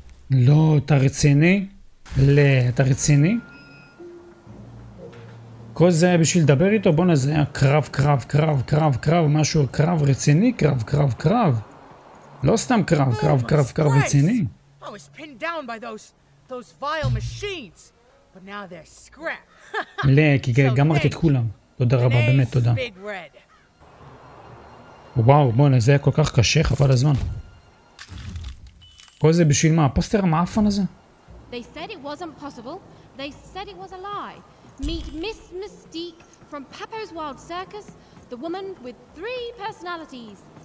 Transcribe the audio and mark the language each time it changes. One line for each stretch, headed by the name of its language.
Hebrew: לא, אתה רציני? אתה רציני? כל זה היה בשביל לדבר איתו? בוא נזה, היה קרב, קרב, קרב, קרב, קרב, משהו, קרב רציני, קרב, קרב, קרב. לא סתם קרב, קרב, קרב, קרב רציני.
English: I was pinned down by those vile machines, but now they're scrap.
Hebrew: כי גמרתי את כולם. תודה רבה, באמת תודה. וואו, בוא נזה, היה כל כך קשה, חבל הזמן. כל זה בשביל מה? הפוסטר המאפן הזה?
English: They said it wasn't possible. They said it was a lie. Meet Miss Mystique from Papo's Wild Circus, the woman with three personalities.